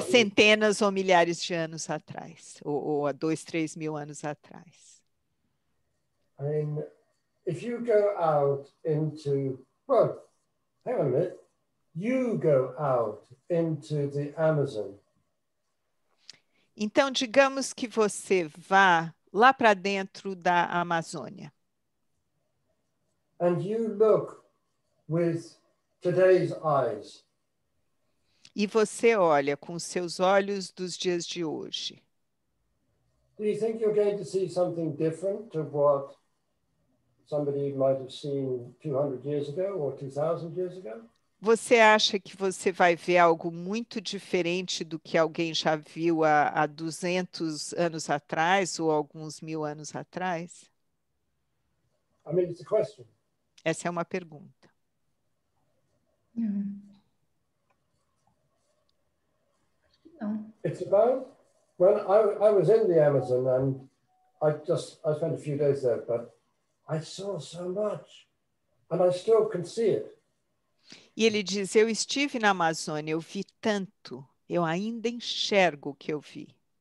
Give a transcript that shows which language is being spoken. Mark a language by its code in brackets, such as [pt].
[pt] centenas ou milhares de anos atrás, ou há 2,000-3,000 anos atrás. [en] If you go out into, well, hang on a minute, you go out into the Amazon. [pt] Então, digamos que você vá lá para dentro da Amazônia. [en] And you look with today's eyes. [pt] E você olha com seus olhos dos dias de hoje. [en] Do you think you're going to see something different to what somebody might have seen 200 years ago or 2,000 years ago? [pt] Você acha que você vai ver algo muito diferente do que alguém já viu há 200 anos atrás ou alguns mil anos atrás? [en] I mean, it's a question. [pt] Essa é uma pergunta. [en] It's about, well, I was in the Amazon and I spent a few days there, but I saw so much, and I still can see it. [pt] E ele diz, eu estive na Amazônia, eu vi tanto, eu ainda enxergo o que eu vi.